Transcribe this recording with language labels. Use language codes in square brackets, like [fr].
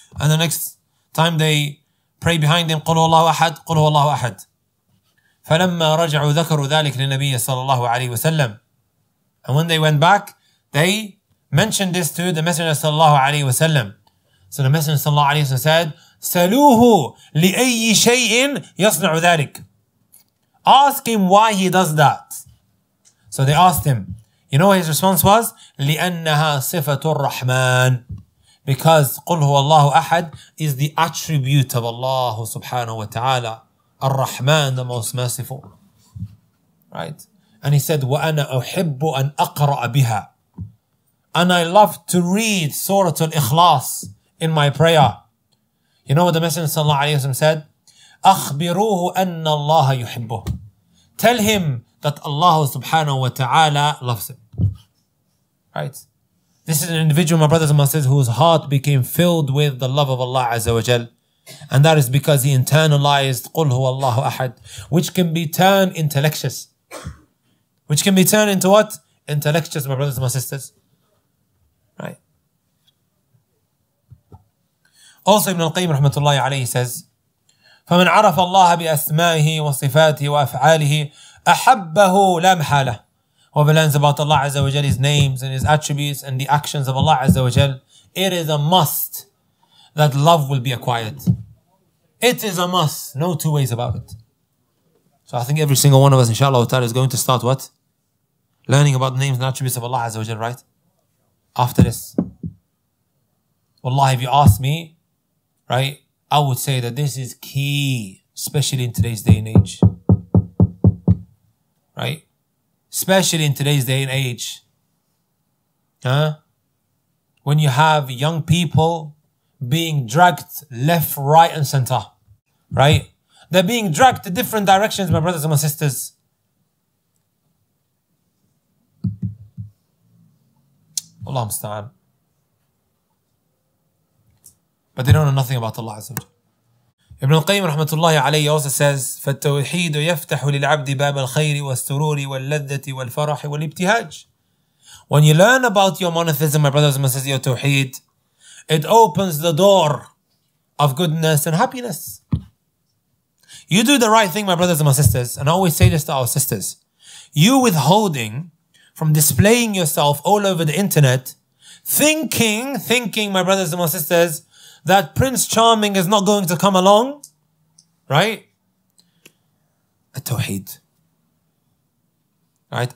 [en] And the next time they pray behind him, [ar] قُلْ هُوَ اللَّهُ أَحَد. قُلْ هُوَ اللَّهُ أَحَد. فَلَمَّا رَجَعُوا ذَكَرُوا ذَلِكَ لِلنَّبِيَّ صَلَى اللَّهُ عَلَيْهِ وَسَلَّمَ. [en] And when they went back, they mentioned this to the Messenger صلى الله عليه وسلم. So the Messenger [ar] صلى الله عليه وسلم [en] said, [ar] سَلُوهُ لِأَيِّ شَيْءٍ يَصْنَعُ ذَلِكَ. [en] Ask him why he does that. So they asked him. You know what his response was? [ar] لِأَنَّهَا صِفَةُ الرَّحْمَانِ. [en] Because [ar] قُلْ هُوَ اللَّهُ أَحَد [en] is the attribute of Allah subhanahu wa ta'ala. الرَّحْمَانِ, the most merciful. Right? And he said, [ar] وَأَنَا أُحِبُّ أَنْ أَقْرَأَ بِهَا. [en] And I love to read Surah Al-Ikhlas in my prayer. You know what the Messenger sallallahu alayhi wa sallam said? [ar] أَخْبِرُوهُ أَنَّ اللَّهَ يُحِبُّهُ. [en] tell him that Allah subhanahu wa ta'ala loves him. Right? This is an individual, my brothers and my sisters, whose heart became filled with the love of Allah Azza wa Jal. And that is because he internalized [ar] قُلْ هُوَ اللَّهُ أَحَدٍ, [en] which can be turned intellectuous. Which can be turned into what? Intellectuous, my brothers and my sisters. Right? Also, [ar] Ibn al-Qayyim rahmatullahi alayhi [en] says, [ar] فَمَنْ عَرَفَ اللَّهَ بِأَسْمَائِهِ وَصِفَاتِهِ وَأَفْعَالِهِ أَحَبَّهُ لَا مَحَالَهُ. [en] Whoever learns about Allah Azza wa Jal, His names and His attributes and the actions of Allah Azza wa Jal, it is a must that love will be acquired. It is a must, no two ways about it. So I think every single one of us, inshallah, is going to start what? Learning about the names and attributes of Allah Azza wa Jal, right? After this. Wallahi, if you ask me, right, I would say that this is key, especially in today's day and age. Right? Especially in today's day and age. Huh? When you have young people being dragged left, right, and center. Right? They're being dragged to different directions, my brothers and my sisters. Allah musta'an. But they don't know nothing about Allah Azza wa Jalla. [ar] Ibn al-Qayyim rahmatullahi alayhi [en] also says, [ar] فَالتَّوْحِيدُ يَفْتَحُ لِلْعَبْدِ بَابَ الْخَيْرِ وَالسُّرُورِ وَاللَّذَّةِ وَالْفَرَحِ وَالْإِبْتِهَاجِ. [en] When you learn about your monotheism, my brothers and my sisters, your tawheed, it opens the door of goodness and happiness. You do the right thing, my brothers and my sisters, and I always say this to our sisters. You withholding from displaying yourself all over the internet, thinking, my brothers and my sisters, that Prince Charming is not going to come along, right? At-tawheed. Right?